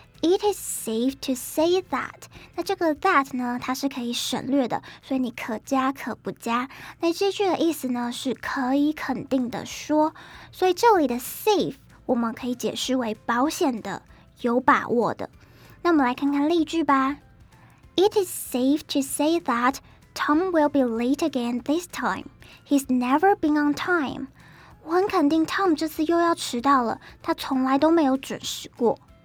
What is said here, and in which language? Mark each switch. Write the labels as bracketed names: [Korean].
[English] It is safe to say that。 [Chinese] 那这个 that 呢，它是可以省略的，所以你可加可不加。那这句的意思呢是可以肯定的说，所以这里的 safe 我们可以解释为保险的，有把握的。那我们来看看例句吧。 [English] It is safe to say that Tom will be late again this time. He's never been on time. [Chinese] 我很肯定 Tom 这次又要迟到了，他从来都没有准时过。